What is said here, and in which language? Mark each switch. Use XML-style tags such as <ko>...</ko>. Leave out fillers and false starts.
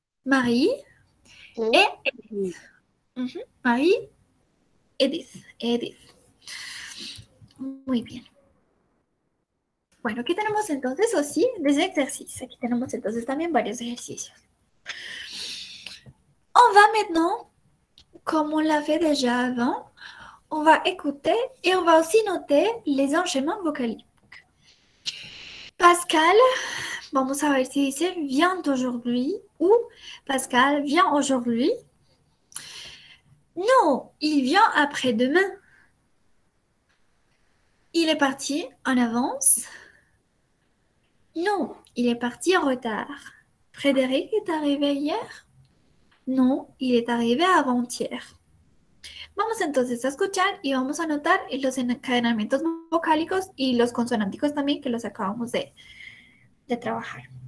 <es>Marie e Edith. Marie, Edith. Muy bien. Bueno, aquí tenemos entonces</es> <fr>aussi des exercices.</fr> <es>Aquí tenemos entonces también varios ejercicios.</es> <fr>On va maintenant, comme on l'a fait déjà avant, on va écouter et on va aussi noter les enchaînements vocaliques.</fr> <es>Pascal, vamos a ver si dice</es> <fr>vient aujourd'hui ou Pascal vient aujourd'hui. Non, il vient après-demain. Il est parti en avance. Non, il est parti en retard. Frédéric est arrivé hier. Non, il est arrivé avant-hier.</fr> <es>Vamos entonces a escuchar y vamos a notar los encadenamientos vocálicos y los consonánticos también que los acabamos de trabajar.</es>